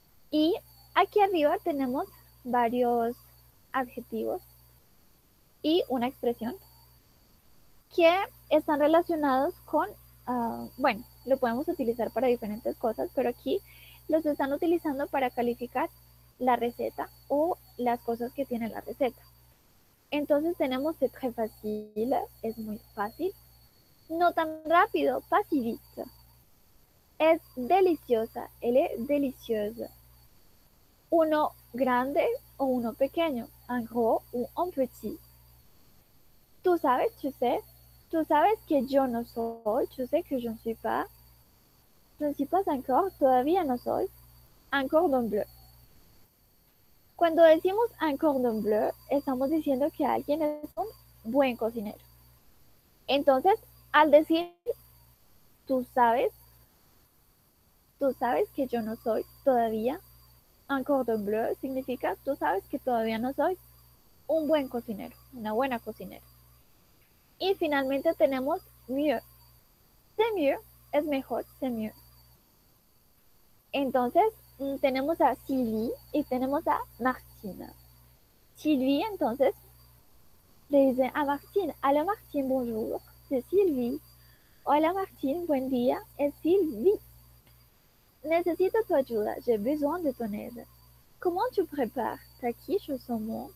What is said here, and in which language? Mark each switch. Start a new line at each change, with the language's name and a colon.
Spanish: Y aquí arriba tenemos varios adjetivos y una expresión que están relacionados con, bueno, lo podemos utilizar para diferentes cosas, pero aquí los están utilizando para calificar la receta o las cosas que tiene la receta. Entonces tenemos
French: c'est très facile,
Spanish: es muy fácil. No tan rápido, facilito. Es deliciosa,
French: elle est délicieuse.
Spanish: Uno grande o uno pequeño,
French: un gros ou un petit.
Spanish: Tú sabes,
French: tu sais,
Spanish: tú sabes que yo no soy,
French: tu sais que je ne suis pas. Je ne suis pas encore,
Spanish: todavía no soy,
French: un cordon bleu.
Spanish: Cuando decimos un cordon bleu, estamos diciendo que alguien es un buen cocinero. Entonces, al decir, tú sabes que yo no soy todavía, un cordon bleu significa, tú sabes que todavía no soy un buen cocinero, una buena cocinera. Y finalmente tenemos mieux.
French: C'est mieux,
Spanish: es mejor,
French: c'est mieux.
Spanish: Entonces, tenemos a Sylvie y tenemos a Martine. Sylvie, entonces, le dice a Martine, hola Martine,
French: bonjour, c'est Sylvie.
Spanish: Hola Martine, buen día, es Sylvie. Necesito tu ayuda,
French: j'ai besoin de ton aide. Comment tu prépares ta quiche au saumon?